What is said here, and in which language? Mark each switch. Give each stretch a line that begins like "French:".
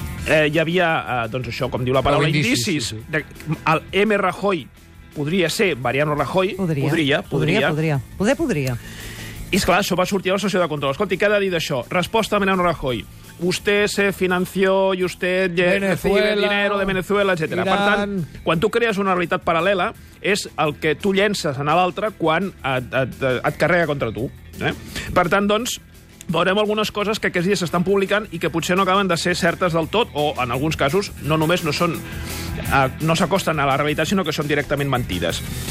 Catalan: hi havia, doncs això, com diu la paraula, indicis, sí, sí, de, el M. Rajoy, podria ser Mariano Rajoy. Podria. I, esclar, això va sortir a la sessió de control. Escolta, i què ha de dir d'això? Resposta a Mariano Rajoy.
Spanish: Usted se financió y usted recibe dinero de Venezuela, etc.
Catalan: Iran. Per tant, quan tu crees una realitat paral·lela, és el que tu llences en l'altre quan et carrega contra tu. Per tant, doncs, veurem algunes coses que aquests dies s'estan publicant i que potser no acaben de ser certes del tot, o en alguns casos no només no són, no s'acosten a la realitat, sinó que són directament mentides.